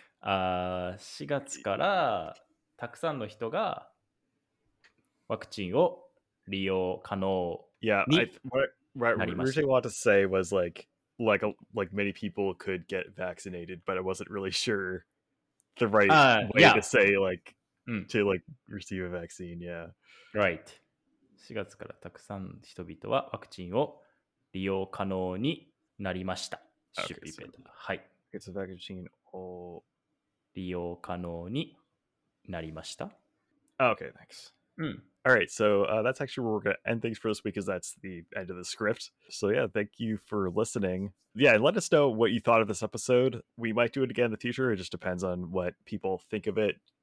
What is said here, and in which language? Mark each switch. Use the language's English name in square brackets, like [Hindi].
[Japanese] 4月からたくさんの人がワクチンを利用可能に [English] Yeah, what I wanted to say was like many people could get vaccinated, but I wasn't really sure the right way to say like to like receive a vaccine. Yeah. Right. [Japanese] 4月からたくさん人々はワクチンを利用可能になりました。 [English] Okay, should be better. はい。 It's a vaccine or [Japanese] 利用可能になりました。 [English] Okay, thanks. Alright, so that's actually where we're going to end things for this week, because that's the end of the script. So yeah, thank you for listening. Yeah, let us know what you thought of this episode. We might do it again in the future. It just depends on what people think of it.